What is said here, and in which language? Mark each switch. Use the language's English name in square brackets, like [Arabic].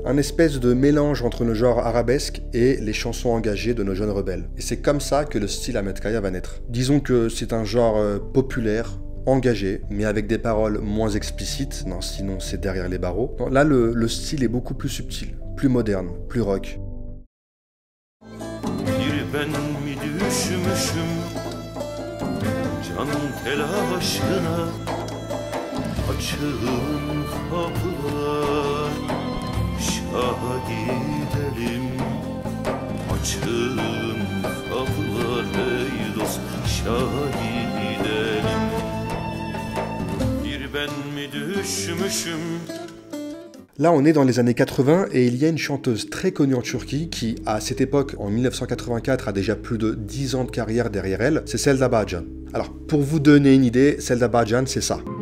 [French] Un espèce de mélange entre le genre arabesque et les chansons engagées de nos jeunes rebelles. Et c'est comme ça que le style Ahmed Kaya va naître. Disons que c'est un genre populaire, engagé, mais avec des paroles moins explicites, non, sinon c'est derrière les barreaux. Non, là, le style est beaucoup plus subtil, plus moderne, plus rock. [Turkish] Düşmüşüm can telaşına açığım kapılar şaha gidelim açığım kapılar ey dost şaha gidelim bir ben mi düşmüşüm. [French] Là, on est dans les années 80 et il y a une chanteuse très connue en Turquie qui, à cette époque, en 1984, a déjà plus de 10 ans de carrière derrière elle, c'est Selda Bağcan. Alors, pour vous donner une idée, Selda Bağcan, c'est ça.